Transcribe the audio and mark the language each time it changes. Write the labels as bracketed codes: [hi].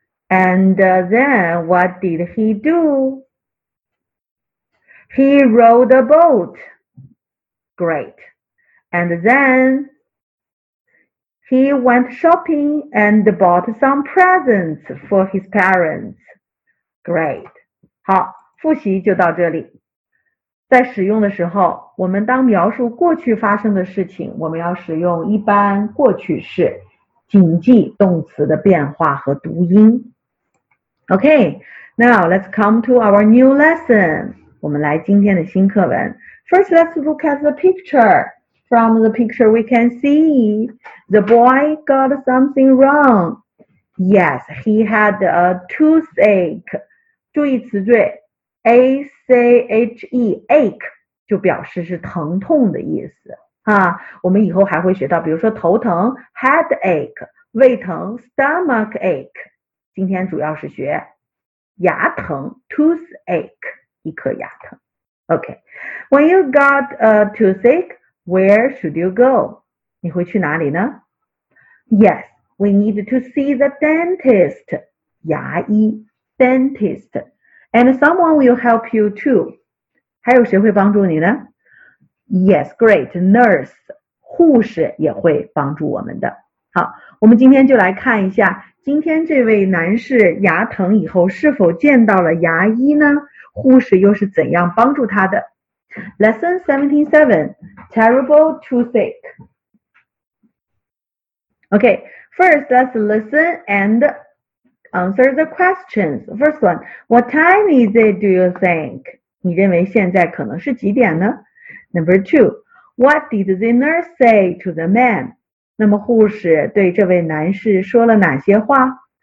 [en] And then what did he do? He rode a boat. Great. And then... He went shopping and bought some presents for his parents. [zh] Great. 好，复习就到这里。在使用的时候，我们当描述过去发生的事情，我们要使用一般过去式，谨记动词的变化和读音。 [en] Okay, now let's come to our new lesson. [zh] 我们来今天的新课文。 [en] First, let's look at the picture. From the picture we can see, the boy got something wrong. Yes, he had a toothache. [zh] 注意词缀 ,A-C-H-E, ache, 就表示是疼痛的意思。啊，我们以后还会学到比如说头疼 ,headache, 胃疼 ,stomachache, 今天主要是学牙疼 ,toothache, 一颗牙疼。 [en] Okay, when you got a toothache,Where should you go? [zh] 你会去哪里呢? [en] Yes, we need to see the dentist. [zh] 牙医。 [en] dentist. And someone will help you too. [zh] 还有谁会帮助你呢？ [en] Yes, great, nurse. [zh] 护士也会帮助我们的。好，我们今天就来看一下，今天这位男士牙疼以后是否见到了牙医呢？护士又是怎样帮助他的？ [en] Lesson 77, Terrible Toothache. Okay, first let's listen and answer the questions. First one, what time is it, do you think? [zh] 你认为现在可能是几点呢？ [en] Number two, what did the nurse say to the man? [zh] 那么护士对这位男士说了哪些话？